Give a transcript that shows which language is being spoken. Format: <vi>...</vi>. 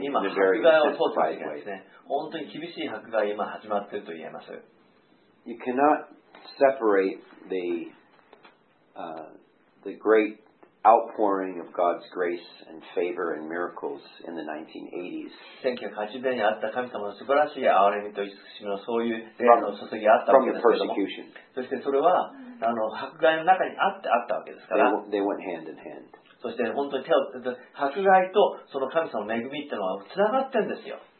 <ja>もう一度今迫害を通っているんですね。本当に厳しい迫害が今始まっていると言えます。</ja> <en>You cannot separate the great outpouring of God's grace and favor and miracles in the 1980s.</en> <ja>1980年にあった神様の素晴らしい憐れみと慈しみのそういう霊の注ぎがあったわけですけれども、そしてそれは迫害の中にあったわけですから。</ja> <en>They went hand in hand.</en> <ja>そして本当に手を迫害とその神様の恵みというのはつながっているんですよ。</ja>